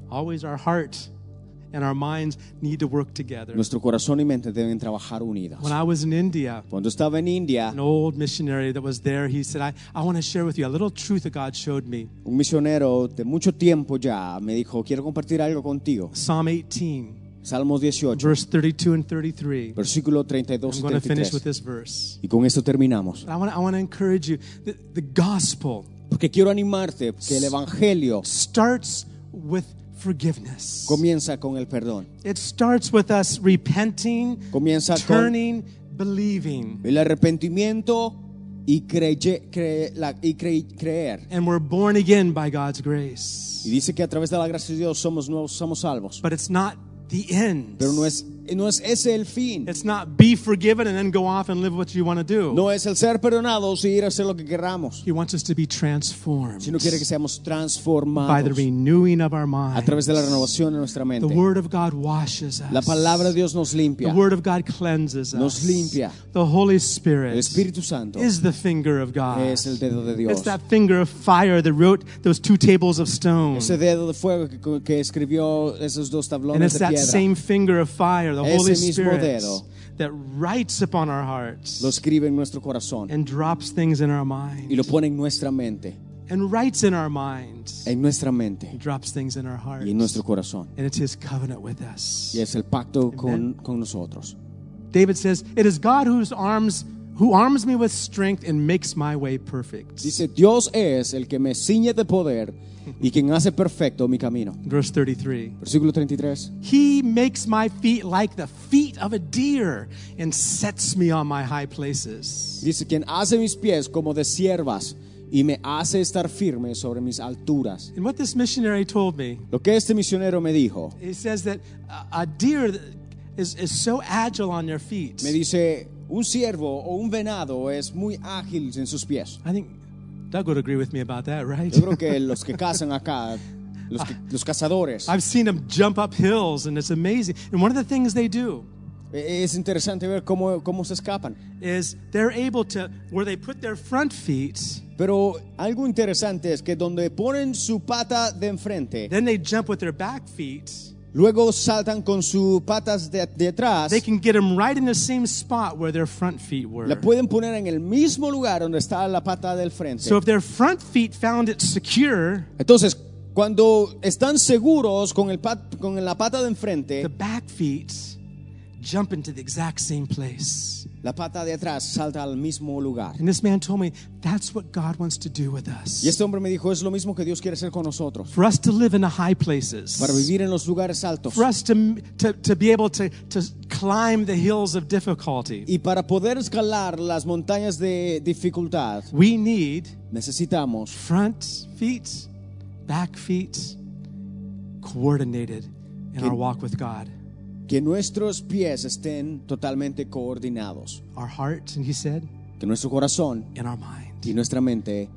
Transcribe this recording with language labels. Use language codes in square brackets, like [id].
[en] always our heart and our minds need to work together. [es] Nuestro corazón y mente deben trabajar unidos. [en] When I was in India, [es] cuando estaba en India, [en] an old missionary that was there, he said, I want to share with you a little truth that God showed me. [es] Un misionero de mucho tiempo ya me dijo, quiero compartir algo contigo. [en] Psalm 18, [es] Salmos 18, [en] verse 32 and 33. [es] Versículo 32 y 33. [en] I'm going to finish with this verse. [es] Y con esto terminamos. [en] I want to encourage you. The gospel, [es] porque quiero animarte que el evangelio [en] starts with forgiveness. [es] Comienza con el perdón. [en] It starts with us repenting, [es] comienza [en] turning, [es] con [en] believing. [es] El arrepentimiento y creer. [en] And we're born again by God's grace. [es] Y dice que a través de la gracia de Dios somos nuevos, somos salvos. [en] But it's not the end. [es] Pero no es ese el fin. [en] It's not be forgiven and then go off and live what you want to do. [es] No es el ser perdonados y ir a hacer lo que queramos. [en] He wants us to be transformed. [es] Sino quiere que seamos transformados. [en] By the renewing of our minds. [es] A través de la renovación de nuestra mente. [en] The word of God washes us. [es] La palabra de Dios nos limpia. [en] The word of God cleanses us. [es] Nos limpia. [en] The Holy Spirit. [es] El Espíritu Santo. [en] Is the finger of God. [es] Es el dedo de Dios. [en] It's that finger of fire that wrote those two tables of stone. [es] Ese dedo de fuego que escribió esos dos tablones de piedra. [en] And it's that same finger of fire. The Holy [es] ese mismo [en] Spirit [es] dedo [en] that writes upon our hearts [es] lo escribe en nuestro corazón [en] and drops things in our mind [es] y lo pone en nuestra mente [en] and writes in our minds [es] en nuestra mente [en] and drops things in our hearts [es] y en nuestro corazón [en] and it's his covenant with us [es] y es el pacto con nosotros. [en] David says, "It is God who arms me with strength and makes my way perfect." [es] Dice, Dios es el que me ciñe de poder y quien hace perfecto mi camino. [en] Verse 33. [es] Versículo 33. [en] He makes my feet like the feet of a deer and sets me on my high places. [es] Dice, quien hace mis pies como de ciervas y me hace estar firme sobre mis alturas. [en] And what this missionary told me, [es] lo que este misionero me dijo, [en] he says that a deer is so agile on their feet. [es] Me dice, un ciervo o un venado es muy ágil en sus pies. [en] I think Doug would agree with me about that, right? [es] Yo creo que los que cazan acá, los cazadores. [en] I've seen them jump up hills and it's amazing. And one of the things they do, [es] es interesante ver cómo se escapan. [en] Is they're able to, where they put their front feet, [es] pero algo interesante es que donde ponen su pata de enfrente, [en] then they jump with their back feet, [es] luego saltan con sus patas de atrás, [en] they can get them right in the same spot where their front feet were. [es] La pueden poner en el mismo lugar donde está la pata del frente. [en] So if their front feet found it secure, [es] entonces cuando están seguros con la pata de enfrente, [en] the back feet jump into the exact same place. [es] La pata de atrás salta al mismo lugar. [en] And this man told me, that's what God wants to do with us. [es] Y este hombre me dijo, es lo mismo que Dios quiere hacer con nosotros. [en] For us to live in the high places. [es] Para vivir en los lugares altos. [en] For us to be able to climb the hills of difficulty. [es] Y para poder escalar las montañas de dificultad. [en] We need, [es] necesitamos, [en] front feet, back feet, coordinated in our walk with God. [es] Que nuestros pies estén totalmente coordinados. [en] Our hearts, and he said, [es] que nuestro corazón [en] and our mind [es] y nuestra mente